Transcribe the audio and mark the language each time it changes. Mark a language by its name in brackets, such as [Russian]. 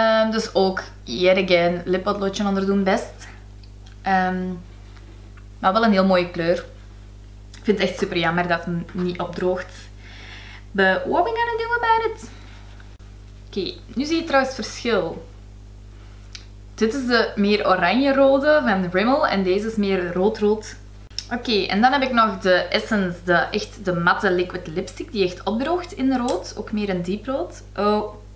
[Dutch] Dus ook, [English] yet again, [Dutch] lippotloodje onder doen best. Maar wel een heel mooie kleur. Ik vind het echt super jammer dat het niet opdroogt. [English] But what are we gonna do about it? [Dutch] Oké, nu zie je trouwens verschil. Dit is de meer oranje-rode van Rimmel en deze is meer rood-rood. Oké, en dan heb ik nog de Essence, de echt de matte liquid lipstick die echt opdroogt in rood. Ook meer een diep rood. Oh.